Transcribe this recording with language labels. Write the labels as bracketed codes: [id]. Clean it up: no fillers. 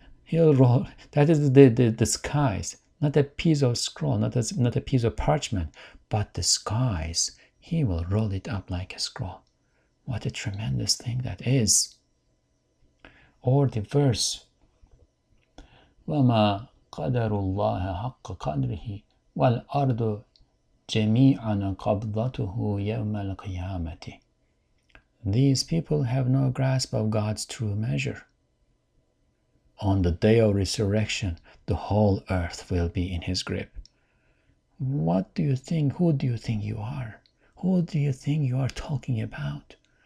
[en] That is the skies. Not a piece of scroll, not a piece of parchment, but the skies. He will roll it up like a scroll. What a tremendous thing that is. Or the verse, [ar] وَمَا قَدَرُ اللَّهَ حَقَّ قَدْرِهِ وَالْأَرْضُ جَمِيعًا قَبْضَتُهُ يَوْمَ الْقِيَامَةِ. [en] These people have no grasp of God's true measure. On the day of resurrection, the whole earth will be in his grip. What do you think? Who do you think you are? Who do you think you are talking about?